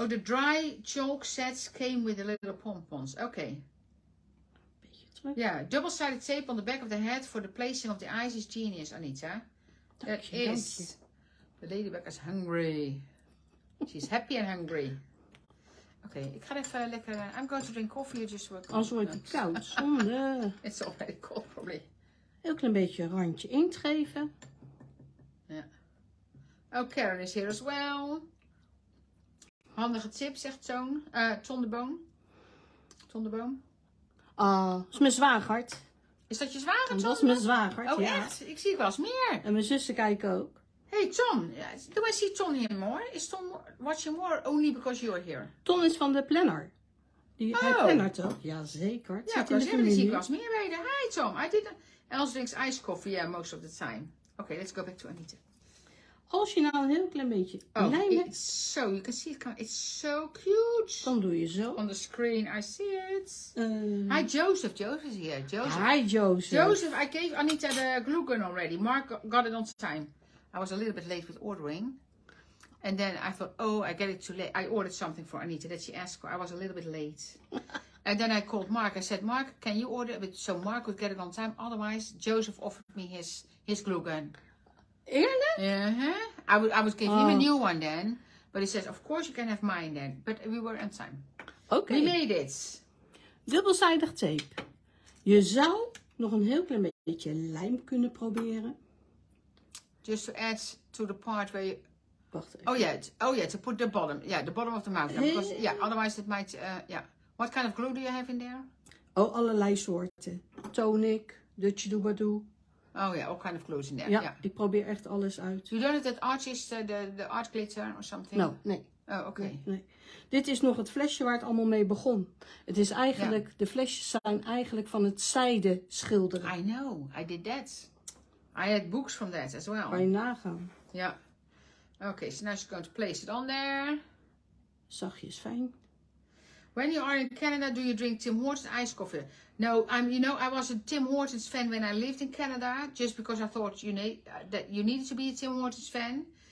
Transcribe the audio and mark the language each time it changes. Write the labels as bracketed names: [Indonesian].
[English] Oh, the dry chalk sets came with a little pompons. Oké. Okay. Ja, yeah, double-sided tape on the back of the head for the placing of the eyes is genius, Anita. [Dutch] Dank je, is. [English] The ladybug is hungry. She's happy and hungry. [Dutch] Oké, okay, ik ga even lekker... [English] I'm going to drink coffee just so I can... [Dutch] Als wordt het koud, zonde. [English] It's already cold, probably. [Dutch] Heel klein beetje randje inkt geven. [English] Ja. Yeah. Oh, Karen is here as well. [Dutch] Handige tip, zegt Toon. [English] Tondeboom. [Dutch] Dat is mijn zwager. Is dat je zwager, Tom? Dat is mijn zwager, oh, ja. Oh, echt? Ik zie wel eens meer. En mijn zussen kijken ook. [English] Hey, Tom. Do I see Tom here more? Is Tom watching more only because you're here? [Dutch] Tom is van de planner. Die, oh. Hij plannert ook. Ja, zeker. Ja, ik zie wel eens meer bij de... [English] Hi, Tom. I did... Els drinks ice coffee, yeah, most of the time. Okay, let's go back to Anita. Als je nou een heel klein beetje lijm hebt... So, you can see it. It's so cute. Dan doe je zo. On the screen, I see it. Hi, Joseph. Joseph is here. Joseph. Hi, Joseph. Joseph, I gave Anita the glue gun already. Mark got it on time. I was a little bit late with ordering. And then I thought, oh, I get it too late. I ordered something for Anita that she asked for. I was a little bit late. And then I called Mark. I said, Mark, can you order it? So Mark would get it on time. Otherwise, Joseph offered me his glue gun. [Dutch] Eerlijk? Uh-huh. [English] I would give him a new one then. But he says, of course you can have mine then. But we were on time. Okay. We made it. [Dutch] Dubbelzijdig tape. Je zou nog een heel klein beetje lijm kunnen proberen. [English] Just to add to the part where you... [Dutch] Wacht even. [English] Oh yeah, to put the bottom. Yeah, the bottom of the mouth. Yeah, because, yeah otherwise it might... yeah. What kind of glue do you have in there? [Dutch] Oh, allerlei soorten. Tonic, Dutch Doobadoo. [English] Oh ja, yeah, all kind of glues in there. [Dutch] Ja, [English] yeah. [Dutch] Ik probeer echt alles uit. [English] You don't have that artist, the art glitter or something? No, nee. Oh, oké. Okay. [Dutch] Nee. Dit is nog het flesje waar het allemaal mee begon. Het is eigenlijk, yeah. De flesjes zijn eigenlijk van het zijde schilderen. [English] I know, I did that. I had books from that as well. [Dutch] Kan je nagaan. [English] Ja. Yeah. Oké, okay, so now she's going to place it on there. [Dutch] Zachtjes, fijn. [English] When you are in Canada, do you drink Tim Hortons ice coffee? No, you know, I was a Tim Hortons fan when I lived in Canada, just because I thought that you needed to be a Tim Hortons fan.